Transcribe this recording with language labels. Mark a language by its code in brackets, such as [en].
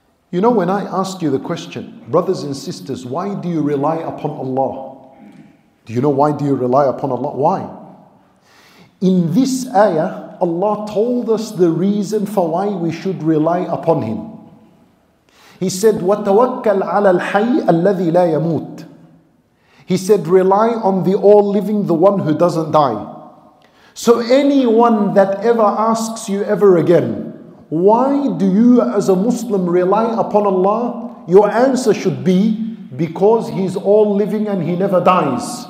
[en] You know, when I ask you the question, brothers and sisters, why do you rely upon Allah? Do you know why do you rely upon Allah? Why? In this ayah, Allah told us the reason for why we should rely upon Him. He said, [ar] وَتَوَكَّلْ عَلَى الْحَيِّ الَّذِي لَا يَمُوتُ. [en] He said, rely on the all-living, the one who doesn't die. So anyone that ever asks you ever again, why do you as a Muslim rely upon Allah? Your answer should be, because He's all living and He never dies.